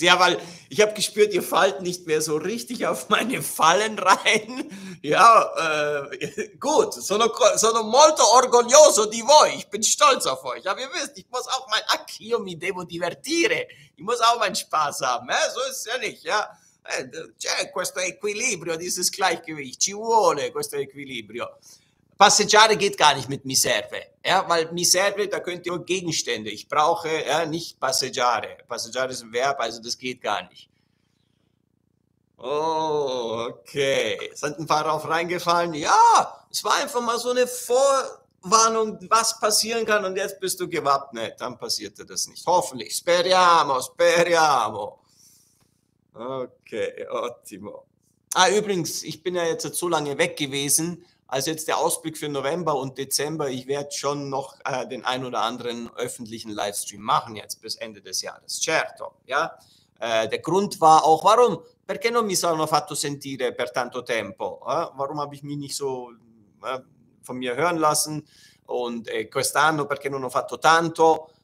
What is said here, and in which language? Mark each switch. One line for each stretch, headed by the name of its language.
German: Ja, weil ich habe gespürt, ihr fallt nicht mehr so richtig auf meine Fallen rein. Ja, gut.
Italian: Sono molto orgoglioso di voi.
German: Ich bin stolz auf euch. Aber ihr wisst, ich muss auch mein.
Italian: Io mi devo divertire.
German: Ich muss auch meinen Spaß haben. So ist es ja nicht. Ja.
Italian: C'è questo equilibrio,
German: dieses Gleichgewicht.
Italian: Ci vuole questo equilibrio.
German: Passeggiare geht gar nicht mit mi serve, ja, weil mi serve, da könnt ihr nur Gegenstände. Ich brauche, ja, nicht passeggiare. Passeggiare ist ein Verb, also das geht gar nicht. Oh, okay. Sind ein paar drauf reingefallen? Ja, es war einfach mal so eine Vorwarnung, was passieren kann, und jetzt bist du gewappnet. Dann passierte das nicht. Hoffentlich.
Italian: Speriamo, speriamo.
German: Okay, ottimo. Ah, übrigens, ich bin ja jetzt so lange weg gewesen. Also jetzt der Ausblick für November und Dezember, ich werde schon noch den ein oder anderen öffentlichen Livestream machen jetzt bis Ende des Jahres. Certo, ja. Der Grund war auch, warum?
Italian: Perché non mi sono fatto sentire per tanto tempo?
German: Warum habe ich mich nicht so von mir hören lassen?
Italian: Und quest'anno, perché non ho fatto tanto?